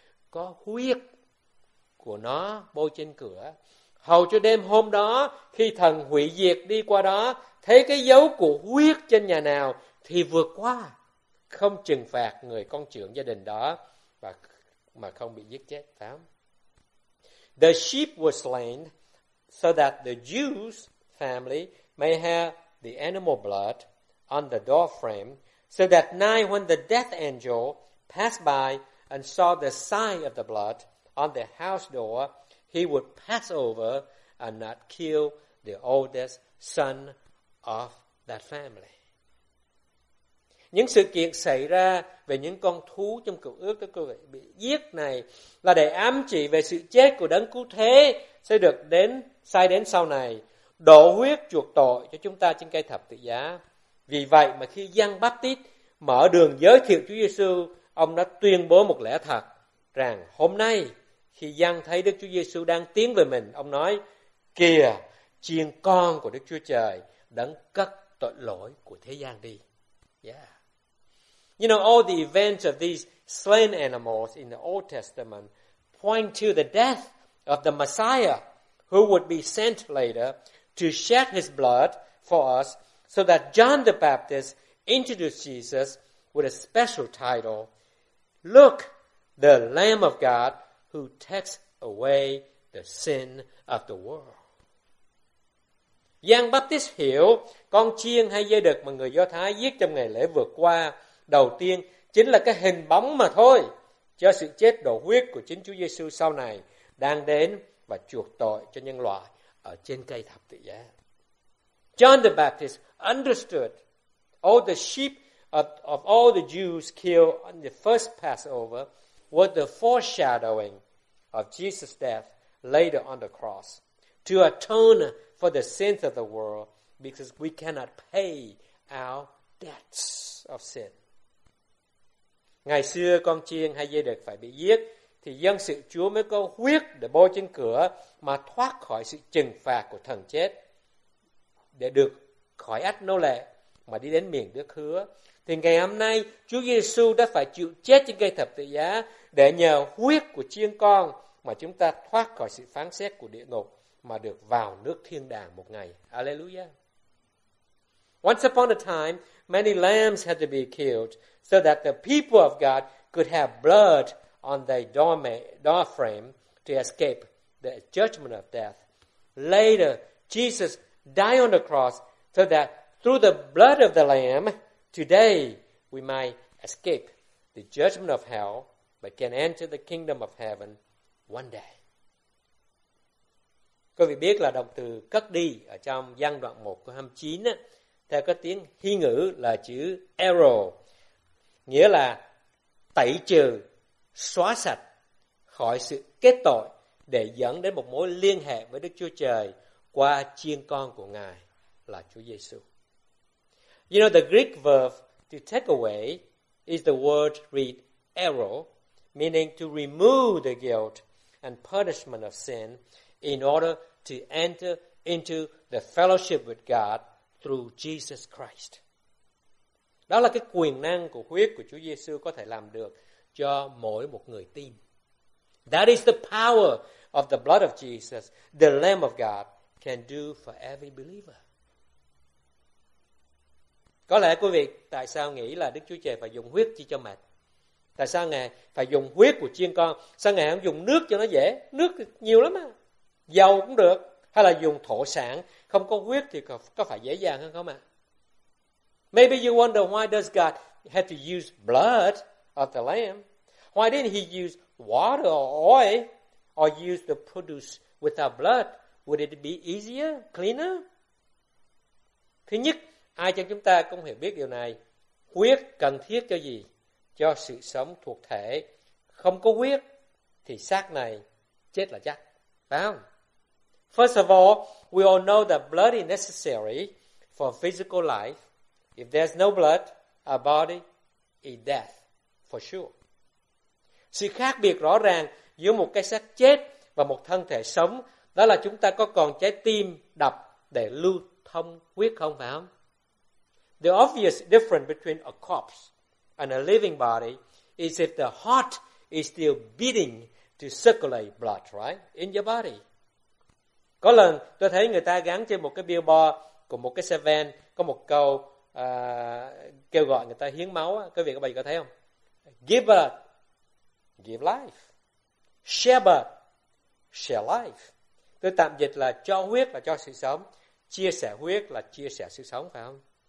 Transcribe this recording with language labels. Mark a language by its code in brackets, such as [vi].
[vi] Có huyết của nó bôi trên cửa. Hầu cho đêm hôm đó, khi thần hủy diệt đi qua đó, thấy cái dấu của huyết trên nhà nào thì vượt qua, không trừng phạt người con trưởng gia đình đó mà không bị giết chết. Phải không? [en] The sheep was slain so that the Jew's family may have the animal blood on the door frame, so that night when the death angel passed by and saw the sign of the blood on the house door, he would pass over and not kill the oldest son of that family. [vi] Những sự kiện xảy ra về những con thú trong cựu ước đó, quý vị, bị giết này là để ám chỉ về sự chết của đấng cứu thế sẽ được đến sai đến sau này, đổ huyết chuộc tội cho chúng ta trên cây thập tự giá. Vì vậy mà khi Giăng Báp-tít mở đường giới thiệu Chúa Giê-xu, ông đã tuyên bố một lẽ thật rằng hôm nay khi Giăng thấy Đức Chúa Giê-xu đang tiến về mình, ông nói: kìa chiên con của Đức Chúa Trời đấng cất tội lỗi của thế gian đi. [en] Yeah. You know, all the events of these slain animals in the Old Testament point to the death of the Messiah who would be sent later to shed his blood for us, so that John the Baptist introduced Jesus with a special title: look, the Lamb of God who takes away the sin of the world. [vi] Giăng Báp-tít hiểu con chiên hay dê đực mà người Do Thái giết trong ngày lễ vừa qua đầu tiên chính là cái hình bóng mà thôi cho sự chết đổ huyết của chính Chúa Giê-xu sau này đang đến và chuộc tội cho nhân loại ở trên cây thập tự giá. [en] John the Baptist understood all the sheep of all the Jews killed on the first Passover were the foreshadowing of Jesus' death later on the cross to atone for the sins of the world, because we cannot pay our debts of sin. [vi] Ngày xưa con chiên hay dê đực phải bị giết, thì dân sự Chúa mới có huyết để bôi trên cửa mà thoát khỏi sự trừng phạt của thần chết, để được khỏi ách nô lệ mà đi đến miền nước hứa. Thì ngày hôm nay Chúa Giê-xu đã phải chịu chết trên cây thập tự giá để nhờ huyết của chiên con mà chúng ta thoát khỏi sự phán xét của địa ngục mà được vào nước thiên đàng một ngày. Hallelujah. [en] Once upon a time, many lambs had to be killed so that the people of God could have blood on their door frame to escape the judgment of death. Later, Jesus died on the cross so that through the blood of the lamb, today we might escape the judgment of hell but can enter the kingdom of heaven one day. [vi] Quý vị biết là động từ cất đi ở trong Giăng đoạn 1 câu 29 á, theo cái tiếng Hy ngữ là chữ arrow, nghĩa là tẩy trừ, xóa sạch khỏi sự kết tội để dẫn đến một mối liên hệ với Đức Chúa Trời qua chiên con của Ngài là Chúa Giê-xu. [en] You know, the Greek verb to take away is the word read arrow, meaning to remove the guilt and punishment of sin in order to enter into the fellowship with God through Jesus Christ. [vi] Đó là cái quyền năng của huyết của Chúa Giê-xu có thể làm được cho mỗi một người tin. [en] That is the power of the blood of Jesus, the Lamb of God, can do for every believer. [vi] Có lẽ quý vị tại sao nghĩ là Đức Chúa Trời phải dùng huyết chi cho mệt? Tại sao Ngài phải dùng huyết của chiên con? Sao Ngài không dùng nước cho nó dễ? Nước nhiều lắm mà. Dầu cũng được, hay là dùng thổ sản không có huyết thì có phải dễ dàng hơn không ạ? [en] Maybe you wonder why does God have to use blood of the lamb? Why didn't he use water or oil or use the produce without blood? Would it be easier, cleaner? [vi] Thứ nhất, ai trong chúng ta cũng hiểu biết điều này. Huyết cần thiết cho gì? Cho sự sống thuộc thể. Không có huyết thì xác này chết là chắc. Phải không? [en] First of all, we all know that blood is necessary for physical life. If there's no blood, our body is death, for sure. [vi] Sự khác biệt rõ ràng giữa một cái xác chết và một thân thể sống đó là chúng ta có còn trái tim đập để lưu thông huyết không, phải không? [en] The obvious difference between a corpse and a living body is if the heart is still beating to circulate blood, right, in your body. [vi] Có lần tôi thấy người ta gắn trên một cái billboard của một cái xe van có một câu kêu gọi người ta hiến máu. Quý vị các bạn có thấy không? [en] Give blood, give life. Share blood, share life. [vi] Tôi tạm dịch là cho huyết là cho sự sống. Chia sẻ huyết là chia sẻ sự sống, phải không?